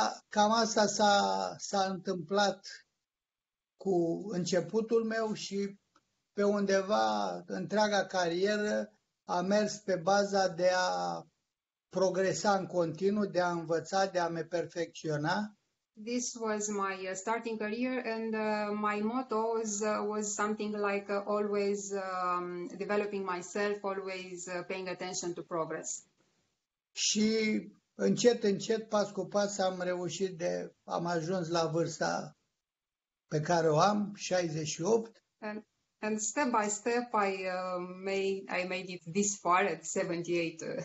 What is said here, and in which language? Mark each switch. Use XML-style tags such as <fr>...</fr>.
<ro>Cam asta s-a întâmplat cu începutul meu și pe undeva întreaga carieră a mers pe baza de a progresa în continuu, de a învăța, de a me perfecționa.</ro> <en>This was my starting career and my motto was something like always developing myself, always paying attention to progress.</en> <ro>Și încet, încet, pas cu pas am ajuns la vârsta pe care o am, 68.</ro> <en>And step by step I made it this far at 78.</en>